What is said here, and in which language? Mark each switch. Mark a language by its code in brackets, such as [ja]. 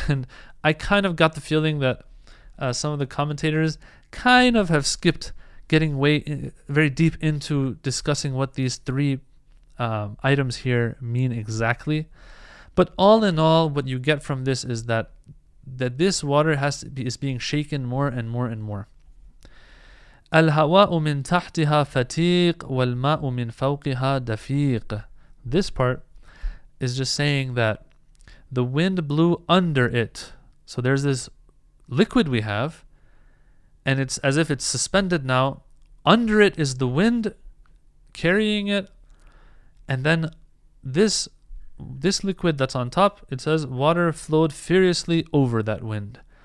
[en] And I kind of got the feeling that some of the commentators kind of have skipped getting very deep into discussing what these three items here mean exactly. But all in all, what you get from this is that this water is being shaken more and more and more. [ar] الهواء من تحتها فتيق والماء من فوقها دفيق. [en] This part is just saying that the wind blew under it. So there's this liquid we have, and it's as if it's suspended now. Under it is the wind carrying it, and then this liquid that's on top, it says water flowed furiously over that wind.